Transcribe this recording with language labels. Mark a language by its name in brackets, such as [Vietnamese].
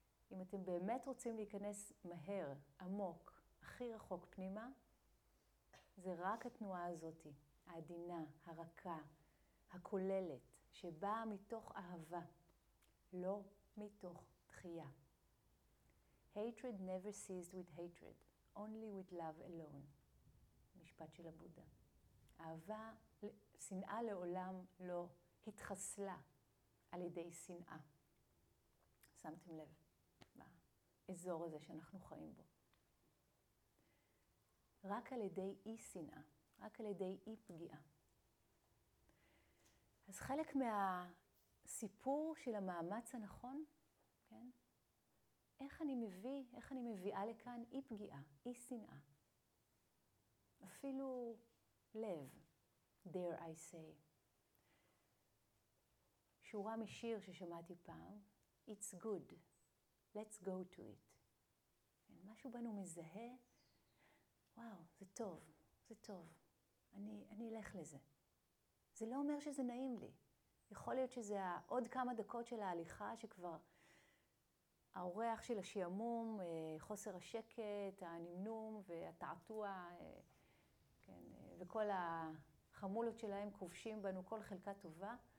[Hebrew] אם אתם באמת רוצים להיכנס מהר, עמוק, הכי רחוק פנימה, זה רק התנועה הזאת, העדינה, הרכה, הכוללת, שבאה מתוך אהבה, לא מתוך דחייה. [English] Hatred never ceased with hatred, only with love alone. [Hebrew] משפט של הבודה. אהבה, שנאה לעולם לא התחסלה על ידי שנאה. שמתם לב באזור הזה שאנחנו חיים בו. רק על ידי אי שנאה, רק על ידי אי פגיעה. אז חלק מהסיפור של המאמץ הנכון, כן? איך אני מביא, איך אני מביאה לכאן אי פגיעה, אי שנאה. אפילו לב, [English] dare I say. [Hebrew] שורה משיר ששמעתי פעם, [English] it's good, let's go to it. [Hebrew] משהו בנו מזהה, וואו, זה טוב, זה טוב, אני אלך לזה. זה לא אומר שזה נעים לי. יכול להיות שזה עוד כמה דקות של ההליכה שכבר האורח של השעמום, חוסר השקט, הנמנום והתעתוע, כן, וכל החמולות שלהם כובשים בנו כל חלקה טובה.